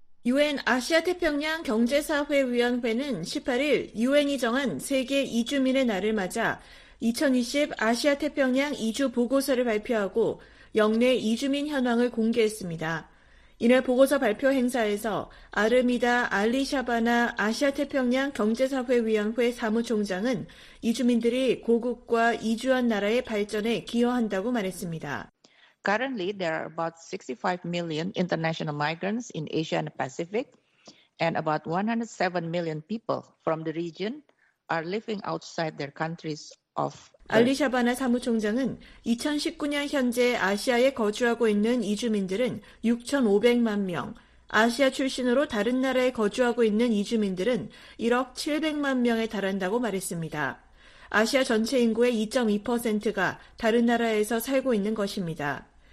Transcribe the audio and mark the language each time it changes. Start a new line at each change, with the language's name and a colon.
Korean: 유엔 아시아태평양 경제사회위원회는 18일 유엔이 정한 세계 이주민의 날을 맞아 2020 아시아태평양 이주보고서를 발표하고 역내 이주민 현황을 공개했습니다. 이날 보고서 발표 행사에서 아르미다 알리샤바나 아시아태평양 경제사회위원회 사무총장은 이주민들이 고국과 이주한 나라의 발전에 기여한다고 말했습니다.
English: Currently, there are about 65 million international migrants in Asia and the Pacific, and about 107 million people from the region are living outside their countries of Earth.
Korean: 알리샤바나 사무총장은 2019년 현재 아시아에 거주하고 있는 이주민들은 6,500만 명, 아시아 출신으로 다른 나라에 거주하고 있는 이주민들은 1억 700만 명에 달한다고 말했습니다. 아시아 전체 인구의 2.2%가 다른 나라에서 살고 있는 것입니다.